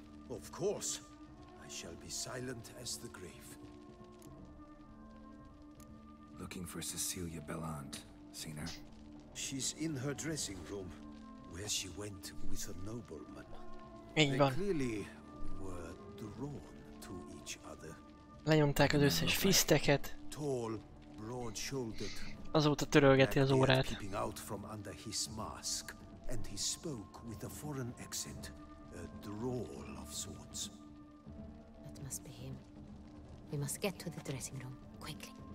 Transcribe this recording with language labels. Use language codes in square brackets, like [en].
[en] Of course. I shall be silent as the grave. Looking for Cecilia Bellant. Seen her? She's in her dressing room, where she went with a nobleman. [hu] Így van. [en] They clearly were drawn to each other. [hu] Lenyomták az összes fiszteket. [en] Tall, broad-shouldered. [hu] Azóta törölgeti az órát. [en] Peeping out from under his mask, and he spoke with a foreign accent, a drawl of sorts. That must be him. We must get to the dressing room quickly.